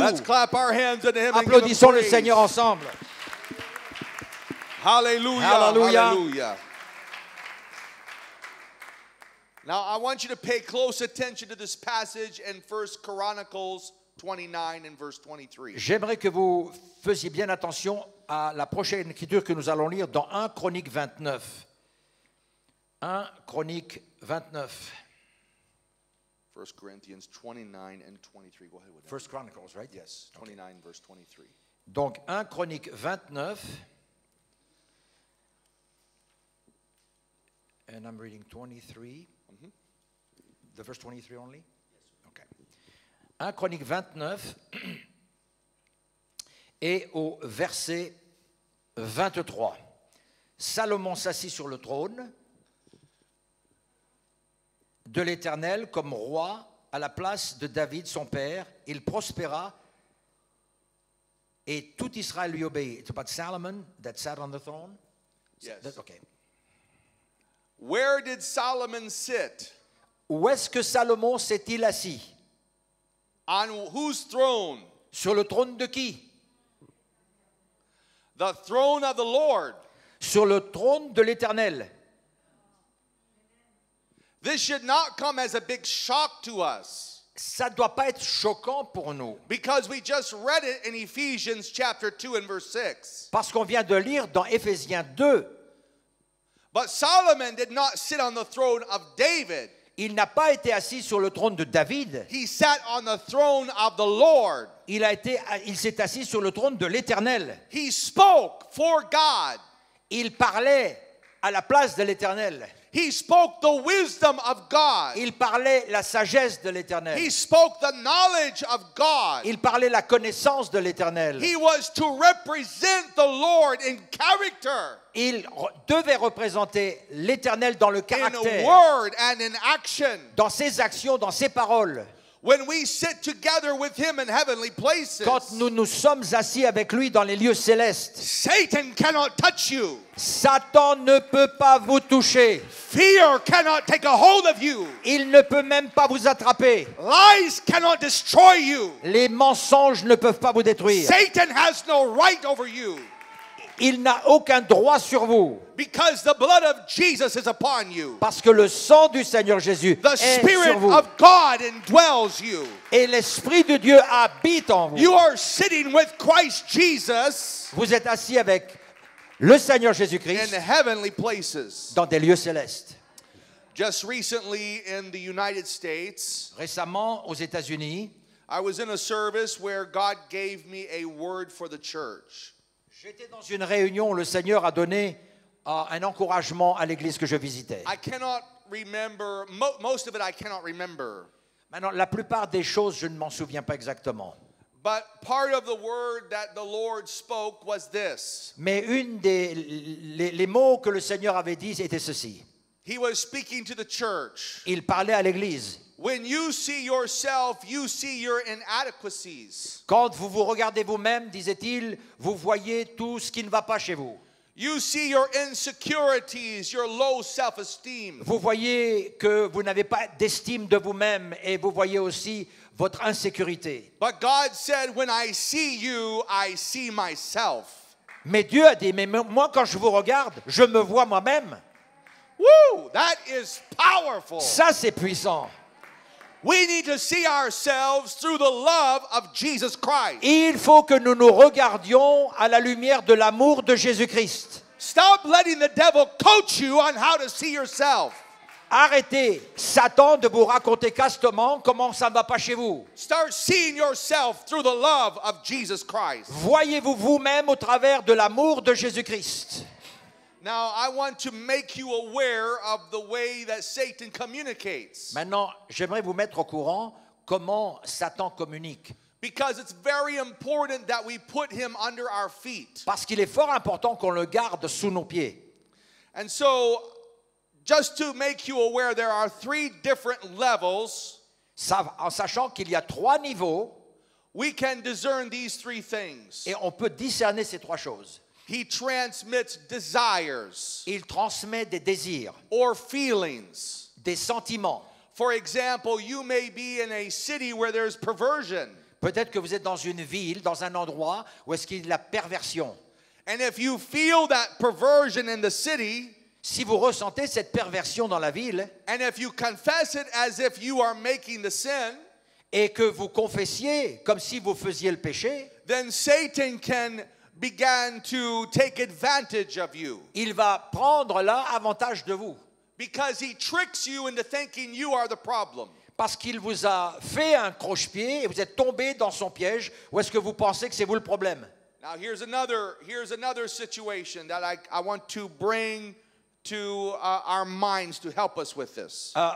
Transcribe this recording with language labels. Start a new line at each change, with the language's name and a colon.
English: Let's clap our hands in him.
French: Applaudissons le Seigneur ensemble.
English: Hallelujah. Hallelujah. Hallelujah. Now I want you to pay close attention to this passage in 1 Chronicles 29 and verse 23.
French: J'aimerais que vous fassiez bien attention à la prochaine écriture que nous allons lire dans 1 Chronique 29. 1 Chronique 29.
English: 1 Corinthians 29 and 23. Go ahead with that. 1 Chronicles, right? Yes. 29 okay. Verse 23.
French: Donc 1 Chronique 29.
English: And I'm reading 23. Mm-hmm. The verse 23 only.
French: 1 Chronique 29 et au verset 23. Salomon s'assit sur le trône de l'Éternel comme roi à la place de David, son père. Il prospéra et tout Israël lui obéit.
English: It's about Solomon that sat on the throne? Yes. That, okay. Where did Solomon sit?
French: Où est-ce que Salomon s'est-il assis?
English: On whose throne?
French: Sur le trône de qui?
English: The throne of the Lord.
French: Sur le trône de l'Éternel.
English: This should not come as a big shock to us.
French: Ça doit pas être choquant pour nous.
English: Because we just read it in Ephesians chapter 2 and verse 6.
French: Parce qu'on vient de lire dans Éphésiens 2.
English: But Solomon did not sit on the throne of David.
French: Il n'a pas été assis sur le trône de David.
English: He sat on the throne of the Lord.
French: Il s'est assis sur le trône de l'Éternel.
English: He spoke for God.
French: Il parlait à la place de l'Éternel.
English: He spoke the wisdom of God.
French: Il parlait la sagesse de l'Éternel.
English: He spoke the knowledge of God.
French: Il parlait la connaissance de l'Éternel.
English: He was to represent the Lord in character.
French: Il devait représenter l'Éternel dans le caractère.
English: In word and in action.
French: Dans ses actions, dans ses paroles.
English: When we sit together with him in heavenly places,
French: quand nous nous sommes assis avec lui dans les lieux célestes,
English: Satan cannot touch you.
French: Satan ne peut pas vous toucher.
English: Fear cannot take a hold of you.
French: Il ne peut même pas vous attraper.
English: Lies cannot destroy you.
French: Les mensonges ne peuvent pas vous détruire.
English: Satan has no right over you.
French: Il n'a aucun droit sur vous.
English: Because the blood of Jesus is upon you.
French: Parce que le sang du Seigneur Jésus
English: the
French: est sur vous.
English: The Spirit of God indwells you.
French: Et l'Esprit de Dieu habite en vous.
English: You are sitting with Christ Jesus.
French: Vous êtes assis avec le Seigneur Jésus-Christ
English: in heavenly places.
French: Dans des lieux célestes.
English: Just recently in the United States,
French: récemment aux États-Unis,
English: I was in a service where God gave me a word for the church.
French: J'étais dans une réunion où le Seigneur a donné un encouragement à l'église que je visitais.
English: I cannot remember, most of it I cannot remember.
French: Maintenant, la plupart des choses, je ne m'en souviens pas exactement.
English: But part of the word that the Lord spoke was this.
French: Mais une des les mots que le Seigneur avait dit était ceci.
English: He was speaking to the church.
French: Il parlait à l'église.
English: When you see yourself, you see your inadequacies.
French: Quand vous vous regardez vous-même, disait-il, vous voyez tout ce qui ne va pas chez vous.
English: You see your insecurities, your low self-esteem.
French: Vous voyez que vous n'avez pas d'estime de vous-même et vous voyez aussi votre insécurité.
English: But God said, when I see you, I see myself.
French: Mais Dieu a dit, mais moi quand je vous regarde, je me vois moi-même.
English: Woo, that is powerful.
French: Ça c'est puissant.
English: We need to see ourselves through the love of Jesus Christ.
French: Il faut que nous nous regardions à la lumière de l'amour de Jésus-Christ.
English: Stop letting the devil coach you on how to see yourself.
French: Arrêtez Satan de vous raconter castement comment ça ne va pas chez vous.
English: Start seeing yourself through the love of Jesus Christ.
French: Voyez-vous vous-même au travers de l'amour de Jésus-Christ.
English: Now I want to make you aware of the way that Satan communicates.
French: Maintenant, j'aimerais vous mettre au courant comment Satan communique.
English: Because it's very important that we put him under our feet.
French: Parce qu'il est fort important qu'on le garde sous nos pieds.
English: And so, just to make you aware, there are three different levels.
French: En sachant qu'il y a trois niveaux,
English: we can discern these three things.
French: Et on peut discerner ces trois choses.
English: He transmits desires.
French: Il transmet des désirs.
English: Or feelings.
French: Des sentiments.
English: For example, you may be in a city where there's perversion.
French: Peut-être que vous êtes dans une ville, dans un endroit où est-ce qu'il y a la perversion.
English: And if you feel that perversion in the city,
French: si vous ressentez cette perversion dans la ville,
English: and if you confess it as if you are making the sin,
French: et que vous confessiez comme si vous faisiez le péché,
English: then Satan can began to take advantage of you.
French: Il va prendre là avantage de vous.
English: Because he tricks you into thinking you are the problem.
French: Parce qu'il vous a fait un croche-pied et vous êtes tombé dans son piège. Où est-ce que vous pensez que c'est vous le problème?
English: Now here's another situation that I want to bring to our minds to help us with this.